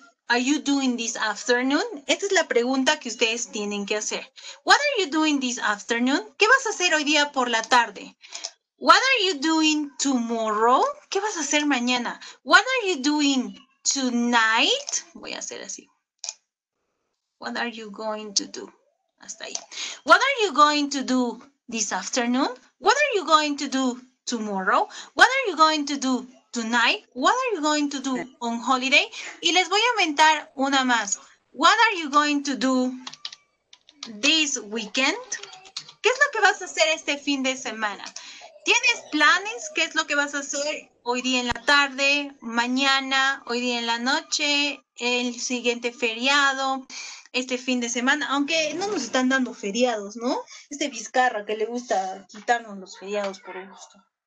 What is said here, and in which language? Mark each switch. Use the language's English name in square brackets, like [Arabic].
[English] Are you doing this afternoon? [Spanish] Esta es la pregunta que ustedes tienen que hacer. [English] What are you doing this afternoon? [Spanish] ¿Qué vas a hacer hoy día por la tarde? [English] What are you doing tomorrow? [Spanish] ¿Qué vas a hacer mañana? [English] What are you doing tonight? [Spanish] Voy a hacer así. [English] What are you going to do? [Spanish] Hasta ahí. [English] What are you going to do this afternoon? What are you going to do tomorrow? What are you going to do tonight, what are you going to do on holiday? [Spanish] Y les voy a inventar una más. [English] What are you going to do this weekend? [Spanish] ¿Qué es lo que vas a hacer este fin de semana? ¿Tienes planes? ¿Qué es lo que vas a hacer hoy día en la tarde, mañana, hoy día en la noche, el siguiente feriado, este fin de semana? Aunque no nos están dando feriados, ¿no? Este Vizcarra que le gusta quitarnos los feriados por gusto.